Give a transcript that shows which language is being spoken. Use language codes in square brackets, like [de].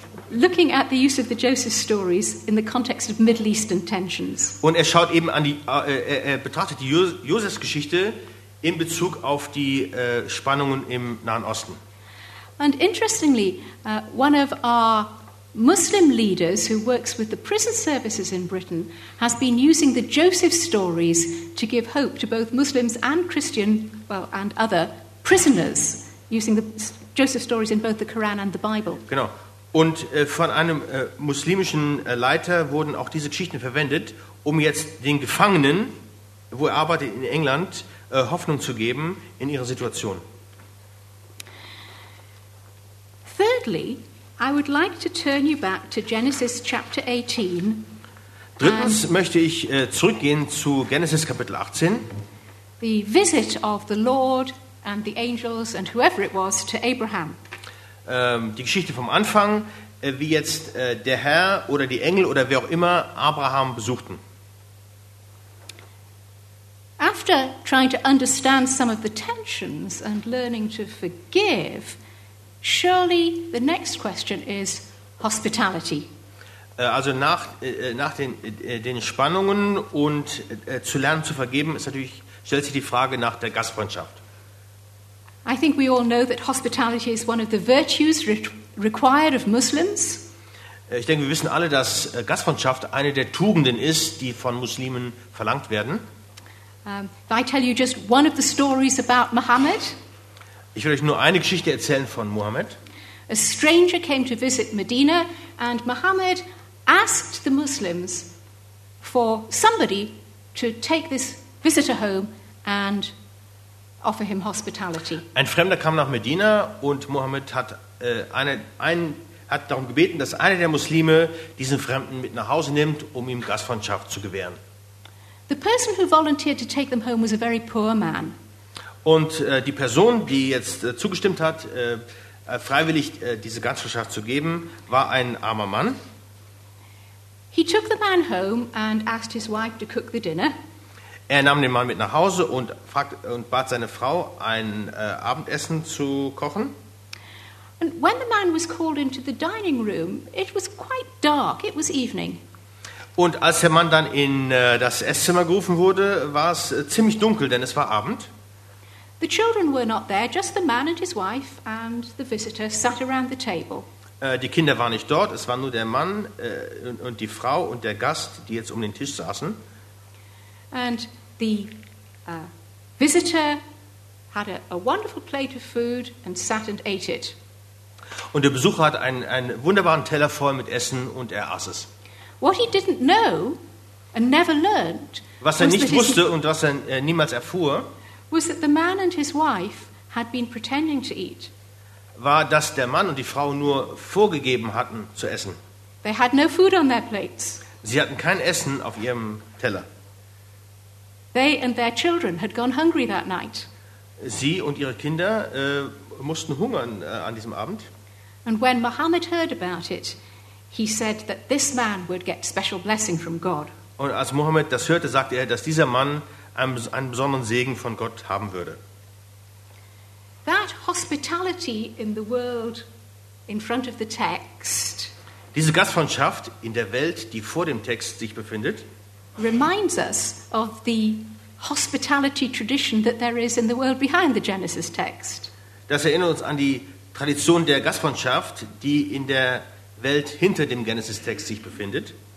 [en] Looking at the use of the Joseph stories in the context of Middle Eastern tensions. [de] Und er schaut eben an die betrachtet die Josefs-Geschichte in Bezug auf die Spannungen im Nahen Osten. [en] And interestingly, one of our Muslim leaders who works with the prison services in Britain has been using the Joseph stories to give hope to both Muslims and Christian, well, and other prisoners, using the Joseph stories in both the Quran and the Bible. [de] Genau. Und von einem muslimischen Leiter wurden auch diese Geschichten verwendet, um jetzt den Gefangenen, wo er arbeitet in England, Hoffnung zu geben in ihrer Situation. [en] Thirdly, I would like to turn you back to Genesis chapter 18. [de] Drittens möchte ich zurückgehen zu Genesis Kapitel 18. [en] The visit of the Lord and the angels and whoever it was to Abraham. [de] Die Geschichte vom Anfang, wie jetzt der Herr oder die Engel oder wer auch immer Abraham besuchten. [en] After trying to understand some of the tensions and learning to forgive, surely the next question is hospitality. [de] Also nach den Spannungen und zu lernen zu vergeben, ist natürlich, stellt sich die Frage nach der Gastfreundschaft. [en] I think we all know that hospitality is one of the virtues required of Muslims. [de] Ich denke, wir wissen alle, dass Gastfreundschaft eine der Tugenden ist, die von Muslimen verlangt werden. [en] If I tell you just one of the stories about Muhammad. [de] Ich will euch nur eine Geschichte erzählen von Muhammad. [en] A stranger came to visit Medina and Muhammad asked the Muslims for somebody to take this visitor home and offer him hospitality. [de] Ein Fremder kam nach Medina und Muhammad hat hat darum gebeten, dass einer der Muslime diesen Fremden mit nach Hause nimmt, um ihm Gastfreundschaft zu gewähren. [en] The person who volunteered to take them home was a very poor man. [de] Und die Person, die jetzt zugestimmt hat, freiwillig diese Gastfreundschaft zu geben, war ein armer Mann. [en] He took the man home and asked his wife to cook the dinner. [de] Er nahm den Mann mit nach Hause und bat seine Frau, ein Abendessen zu kochen. [en] And when the man was called into the dining room, it was quite dark. It was evening. [de] Und als der Mann dann in das Esszimmer gerufen wurde, war es ziemlich dunkel, denn es war Abend. [en] The children were not there, just the man and his wife and the visitor sat around the table. [de] Die Kinder waren nicht dort, es war nur der Mann und die Frau und der Gast, die jetzt um den Tisch saßen. [en] And the visitor had a wonderful plate of food and sat and ate it. [de] Und der Besucher hat einen wunderbaren Teller voll mit Essen und er aß es. [en] What he didn't know and never learned, [de] was er nicht wusste und was er niemals erfuhr, [en] was that the man and his wife had been pretending to eat. [de] War, dass der Mann und die Frau nur vorgegeben hatten zu essen. [en] They had no food on their plates. [de] Sie hatten kein Essen auf ihrem Teller. [en] They and their children had gone hungry that night. [de] Sie und ihre Kinder mussten hungern an diesem Abend. [en] And when Muhammad heard about it, he said that this man would get special blessing from God. [de] Und als Muhammad das hörte, sagte er, dass dieser Mann einen besonderen Segen von Gott haben würde. [en] That hospitality in the world in front of the text. [de] Diese Gastfreundschaft in der Welt, die vor dem Text sich befindet, [en] reminds us of the hospitality tradition that there is in the world behind the Genesis text. [de] Das erinnert uns an die Tradition der Gastfreundschaft, die in der Welt hinter dem Genesis-Text sich befindet.